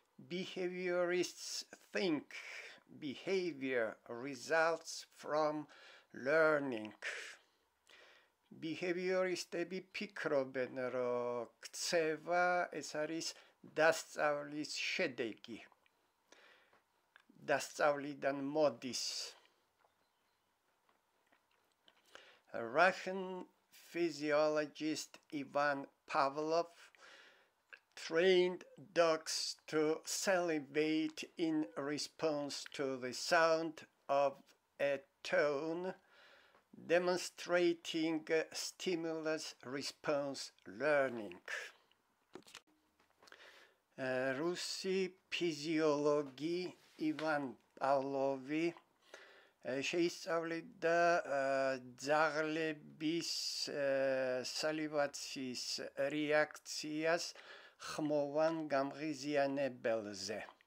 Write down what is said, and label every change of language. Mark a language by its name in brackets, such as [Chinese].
[English] Behaviorists think behavior results from learning. [Georgian] Behavioristები ფიქრობენ, რომ ქცევა ეს არის დასწავლის შედეგი. დასწავლიდან მოდის. [English] Russian physiologist Ivan Pavlov trained dogs to salivate in response to the sound of a tone, demonstrating stimulus-response learning. [Georgian] Russi physiologi Ivan Pavlovi შეისწავლიდა ძაღლების სალივაციის რეაქციას ხმოვან გამღიზიანებელზე.